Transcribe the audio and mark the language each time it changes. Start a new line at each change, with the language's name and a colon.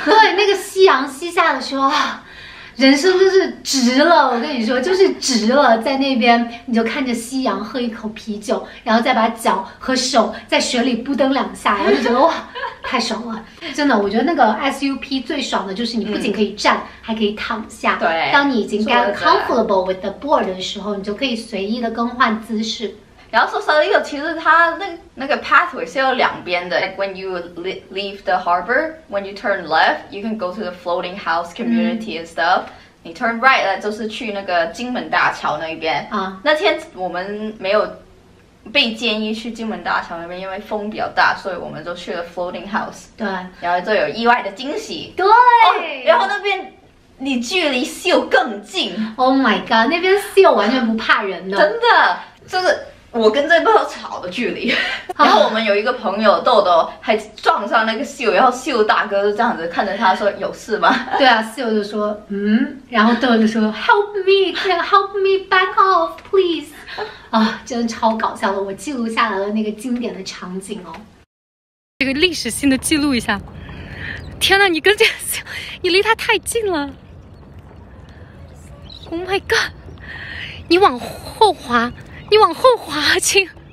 Chinese: 对，那个夕阳西下的时候人生就是值了，我跟你说就是值了，在那边你就看着夕阳喝一口啤酒，然后再把脚和手在水里扑腾两下，然后就觉得哇太爽了，真的，我觉得那个 SUP 最爽的就是你不仅可以站，还可以躺下。对，当你已经
English: get comfortable with the board
Chinese: 的时候，你就可以随意的更换姿势。然后说 Sausalito 其实它那个 pathway 是有两边的。
English: Like when you leave the harbor, when you turn left, you can go to the floating house community and stuff.
Chinese: 你
English: turn right
Chinese: 呢，就是去那个金门大桥那边。那天我们没有。被建议去金门大桥那边，因为风比较大，所以我们就去了 floating house。对，然后就有意外的惊喜。对，哦、然后那边你距离秀更近。
English: Oh my god，
Chinese: 那边秀完全不怕人的。真的，就是我跟这波草的距离。然后我们有一个朋友豆豆还撞上那个秀，然后秀大哥就这样子看着他说有事吗？对啊，秀就说嗯，然后豆豆就说
English: help me, can help me back off please。
Chinese: 啊，真的超搞笑的，我记录下来了那个经典的场景哦，这个历史性的记录一下。天哪，你跟这秀，你离他太近了。
English: Oh my god,
Chinese: 你往后滑，你往后滑，亲。